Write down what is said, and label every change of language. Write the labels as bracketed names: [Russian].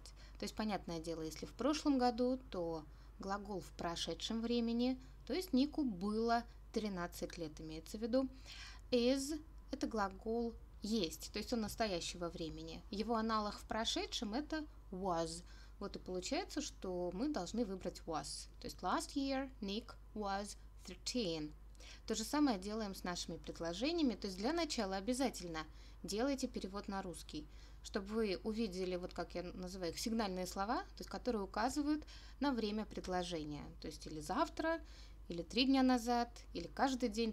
[Russian] То есть, понятное дело, если в прошлом году, то глагол в прошедшем времени, то есть Нику было 13 лет, имеется в виду. Is – это глагол есть, то есть он настоящего времени. Его аналог в прошедшем – это was. Вот и получается, что мы должны выбрать was. То есть [English] last year Nick was 13. [Russian] То же самое делаем с нашими предложениями. То есть для начала обязательно делайте перевод на русский, чтобы вы увидели, вот как я называю их, сигнальные слова, то есть которые указывают на время предложения. То есть или завтра, или 3 дня назад, или каждый день.